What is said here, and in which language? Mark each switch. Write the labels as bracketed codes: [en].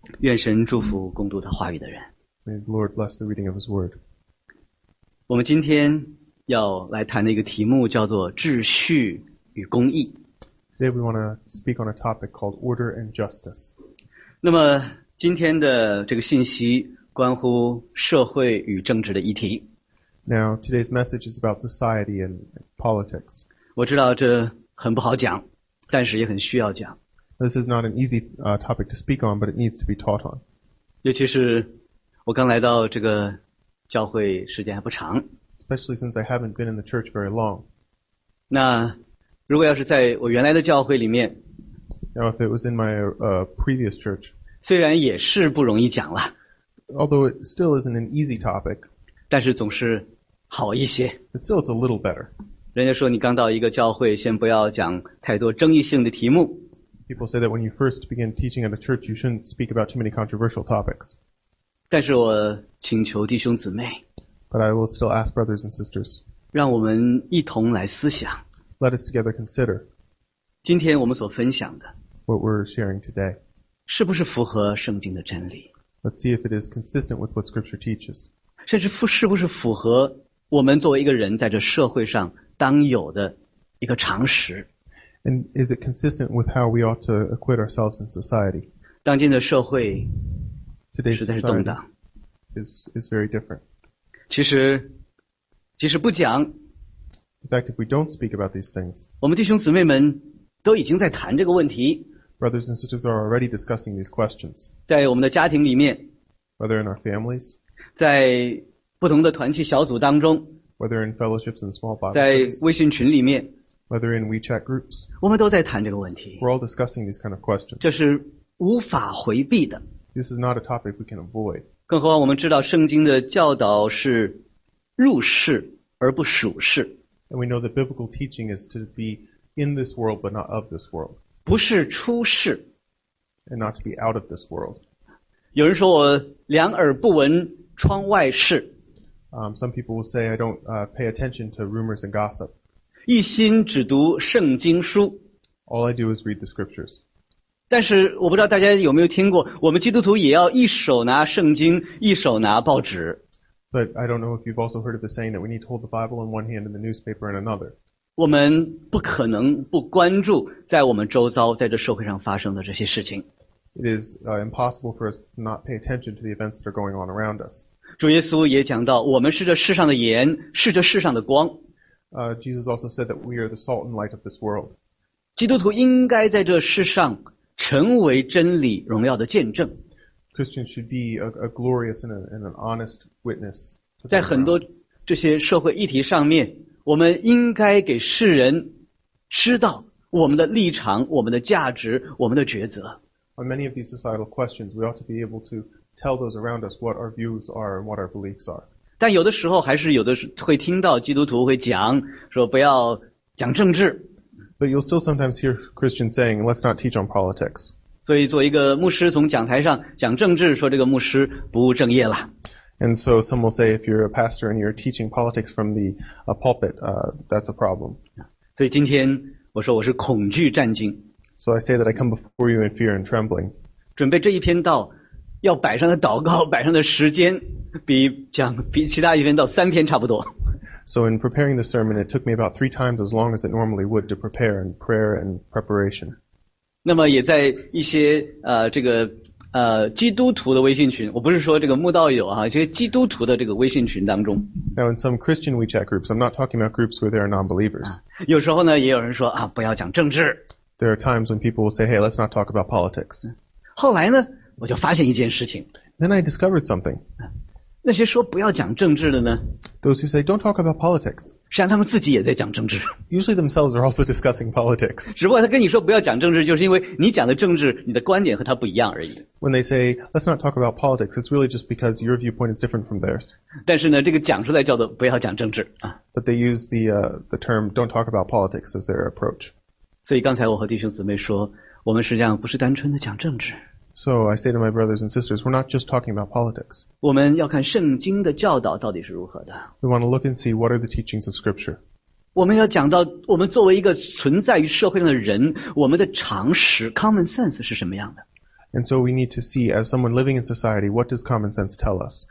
[zh] 愿神祝福共读他话语的人。 [en] May the Lord bless the reading of his word. [zh] 我们今天要来谈的一个题目叫做秩序与公义。 [en] Today we want to speak on a topic called order and justice. [zh] 那么今天的这个信息关乎社会与政治的议题。 [en] Now, today's message is about society and politics. [zh] 我知道这很不好讲，但是也很需要讲。 [en] This is not an easy topic to speak on, but it needs to be taught on. [zh] 尤其是我刚来到这个教会时间还不长。 [en] Especially since I haven't been in the church very long. [zh] 那如果要是在我原来的教会里面 [en] Now, if it was in my previous church, [zh] 虽然也是不容易讲了 [en] although it still isn't an easy topic, [zh] 但是总是好一些 [en] but still it's a little better. [zh] 人家说你刚到一个教会先不要讲太多争议性的题目 [en] People say that when you first begin teaching at a church you shouldn't speak about too many controversial topics. [zh] 但是我请求弟兄姊妹 [en] But I will still ask brothers and sisters. [zh] 让我们一同来思想 [en] Let us together consider. [zh] 今天我们所分享的 [en] What we're sharing today. [zh] 是不是符合圣经的真理 [en] Let's see if it is consistent with what scripture teaches. [zh] 甚至是不是符合我们作为一个人在这社会上当有的一个常识。 [en] And is it consistent with how we ought to acquit ourselves in society? [zh] 当今的社会实在是动荡。 [en] Is very different. [zh] 其实即使不讲。 [en] In fact, if we don't speak about these things, [zh] 我们弟兄姊妹们都已经在谈这个问题。 [en] Brothers and sisters are already discussing these questions. [zh] 在我们的家庭里面。 [en] Whether in our families. [zh] 在不同的团契小组当中。 [en] Whether in fellowships and small bodies. [zh] 在微信群里面。 [en] Whether in WeChat groups. [zh] 我们都在谈这个问题。 [en] We're all discussing these kind of questions. [zh] 这是无法回避的。 [en] This is not a topic we can avoid. [zh] 更何况我们知道圣经的教导是入世而不属世。 [en] And we know that biblical teaching is to be in this world but not of this world. [zh] 不是出世。 [en] And not to be out of this world. [zh] 有人说我两耳不闻窗外事。 [en] Some people will say I don't pay attention to rumors and gossip. [zh] 一心只读圣经书。 [en] All I do is read the scriptures. [zh] 但是我不知道大家有没有听过，我们基督徒也要一手拿圣经，一手拿报纸。 [en] But I don't know if you've also heard of the saying that we need to hold the Bible in one hand and the newspaper in another. [zh] 我们不可能不关注在我们周遭在这社会上发生的这些事情。 [en] It is impossible for us to not pay attention to the events that are going on around us. [zh] 主耶稣也讲到我们是这世上的盐，是这世上的光。 [en] Jesus also said that we are the salt and light of this world. [zh] 基督徒应该在这世上成为真理荣耀的见证。 [en] Christians should be a glorious and an honest witness. [zh] 在很多这些社会议题上面，我们应该给世人知道我们的立场、我们的价值、我们的抉择。 [en] On many of these societal questions, we ought to be able to tell those around us what our views are and what our beliefs are. [zh] 但有的时候还是有的会听到基督徒会讲说不要讲政治。 [en] But you'll still sometimes hear Christians saying, "Let's not teach on politics." [zh] 所以做一个牧师从讲台上讲政治，说这个牧师不务正业了。 [en] And so some will say, if you're a pastor and you're teaching politics from the pulpit, that's a problem. [zh] 所以今天我说我是恐惧战惊。 [en] So I say that I come before you in fear and trembling. [zh] 准备这一篇道，要摆上的祷告，摆上的时间，比其他一篇道三篇差不多。 [en] So in preparing the sermon, it took me about three times as long as it normally would to prepare in prayer and preparation. [zh] 那么也在一些这个基督徒的微信群，我不是说这个慕道友啊，一些基督徒的这个微信群当中。 [en] Now in some Christian WeChat groups, I'm not talking about groups where there are non-believers. [zh] 有时候呢，也有人说啊，不要讲政治。 [en] There are times when people will say, "Hey, let's not talk about politics." [zh] 后来呢，我就发现一件事情。 [en] Then I discovered something. [zh] 那些说不要讲政治的呢 [en] ？Those who say don't talk about politics. [zh] 实际上他们自己也在讲政治。 [en] Usually themselves are also discussing politics. [zh] 只不过他跟你说不要讲政治，就是因为你讲的政治，你的观点和他不一样而已。 [en] When they say let's not talk about politics, it's really just because your viewpoint is different from theirs. [zh] 但是呢，这个讲出来叫做不要讲政治啊。 [en] But they use the term "don't talk about politics" as their approach. [zh] 所以刚才我和弟兄姊妹说，我们实际上不是单纯的讲政治。 [en] So I say to my brothers and sisters, we're not just talking about politics. [zh] 我们要看圣经的教导到底是如何的。 [en] We want to look and see what are the teachings of Scripture. [zh] 我们要讲到我们作为一个存在于社会上的人，我们的常识 common sense 是什么样的。 [en] And so we need to see as someone living in society, what does common sense tell us?